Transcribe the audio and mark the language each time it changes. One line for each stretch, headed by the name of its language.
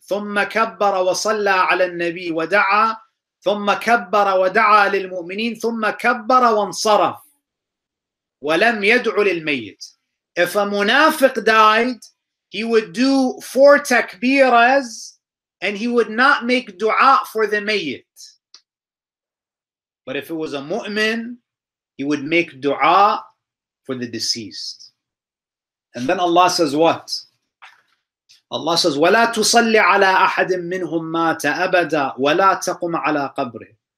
Arabic: ثم كبر وصلى على النبي ودعا ثم كبر ودعا للمؤمنين ثم كبر وانصرف ولم يدع للميت.
English: If a munafiq died, he would do four takbiras and he would not make dua for the mayit. But if it was a mu'min, he would make dua for the deceased. And then Allah says what? Allah says,
Arabic: وَلَا تُصَلِّ عَلَىٰ أَحَدٍ مِّنْهُمْ مَاتَ أَبَدًا وَلَا تَقُمْ عَلَىٰ قَبْرِهِ.